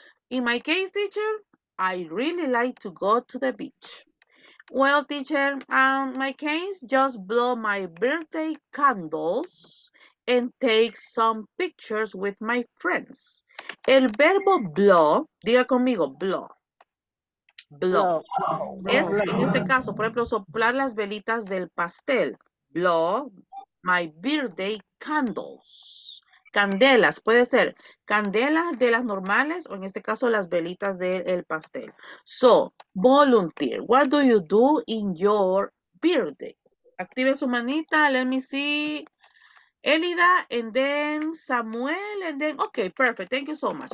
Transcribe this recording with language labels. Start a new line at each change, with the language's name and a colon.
English: In my case, teacher, I really like to go to the beach. Well, teacher, my case just blow my birthday candles and take some pictures with my friends.
Spanish: El verbo blow, diga conmigo, blow. Blow. En este caso, por ejemplo, soplar las velitas del pastel.
English: Blow my birthday candles.
Spanish: Candelas, puede ser candela de las normales o en este caso las velitas del pastel.
English: So, volunteer, what do you do in your birthday?
Spanish: Active su manita,
English: let me see. Elida, and then Samuel, and then, okay, perfect, thank you so much.